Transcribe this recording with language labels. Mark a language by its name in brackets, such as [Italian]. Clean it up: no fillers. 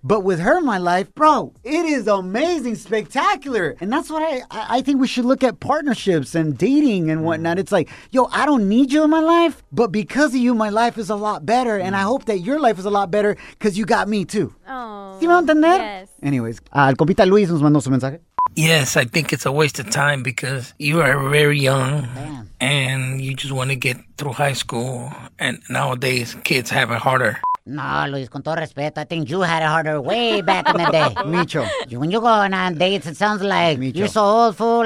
[English] But with her, my life, bro, it is amazing, spectacular. And that's what I think we should look at partnerships and dating and whatnot. It's like, yo, I don't need you in my life, but because of you, my life is a lot better. And I hope that your life is a lot better because you got me too. Oh. [Spanish] ¿Sí me entender? [English] Yes. [Spanish] Anyways, el compita Luis nos mandó su mensaje. [English] Yes, I think it's a waste of time because you are very young. Man. And you just want to get through high school. And nowadays, kids have it harder. No, Luis, [Spanish] con todo respeto, [English] I think you had it harder way back in the day. Micho. You, when you go on dates, it sounds like Micho. You're so old, fool.